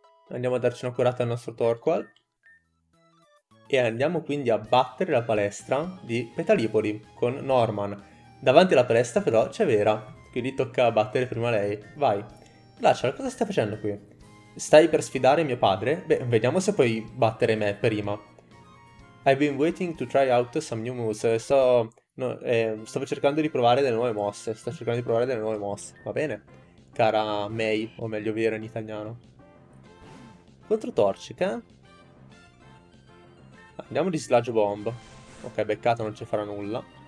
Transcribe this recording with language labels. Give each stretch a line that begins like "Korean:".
Italian: Andiamo a darci una curata al nostro Torkoal. E andiamo quindi a battere la palestra di Petalipoli con Norman. Davanti alla palestra però c'è Vera. Quindi tocca battere prima lei. Vai. Lascia, cosa stai facendo qui? Stai per sfidare mio padre? Beh, vediamo se puoi battere me prima.
English: I've been waiting to try out some new moves.
Italian: No, stavo cercando di provare delle nuove mosse. Sto cercando di provare delle nuove mosse. Va bene, cara May, o meglio Vera in italiano. Contro Torchic, eh? Andiamo di Sludge Bomb. Ok, peccato, non ci farà nulla.